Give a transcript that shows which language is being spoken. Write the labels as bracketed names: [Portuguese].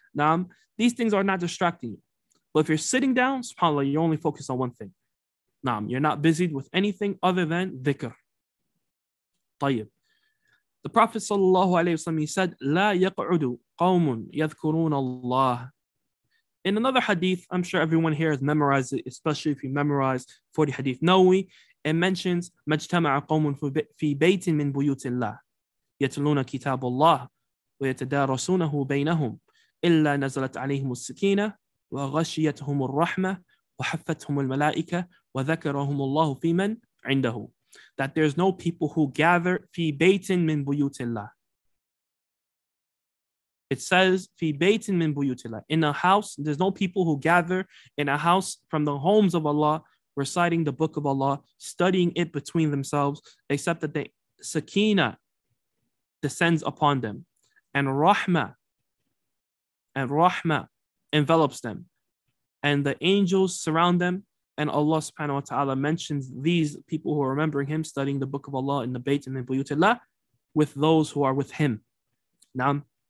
[English] Now, these things are not distracting you. But if you're sitting down, subhanAllah, you're only focused on one thing. Now, you're not busied with anything other than dhikr. Tayyib. The Prophet sallallahu alayhi wasallam, he said, [Arabic] لَا يَقْعُدُ قَوْمٌ يَذْكُرُونَ اللَّهِ. [English] In another hadith, I'm sure everyone here has memorized it, especially if you memorize 40 hadith Nawawi, it mentions [Arabic] مَجْتَمَعَ قَوْمٌ فِي بَيْتٍ مِنْ بُيُوتِ اللَّهِ يَتْلُونَ كِتَابُ اللَّهِ وَيَتَدَارَسُونَهُ بَيْنَهُمْ إِلَّا نَزَلَتْ عَلَيْهِمُ السَّكِينَةُ وَغَشِيَتْهُمُ الرَّحْمَةُ وَحَفَّتْهُمُ الْمَلَائِكَةُ وَذَكَرَهُمُ اللَّهُ فِي مَنْ عِنْدَهُ. [English] That there's no people who gather [Arabic] فِي بَيْتٍ مِنْ بُيُوتِ اللَّهِ. [English] It says, fi baytin min buyutillah, in a house, there's no people who gather in a house from the homes of Allah, reciting the book of Allah, studying it between themselves, except that the sakina descends upon them, and rahma envelops them, and the angels surround them, and Allah subhanahu wa ta'ala mentions these people who are remembering him, studying the book of Allah in the baytin min buyutillah, with those who are with him. Naam.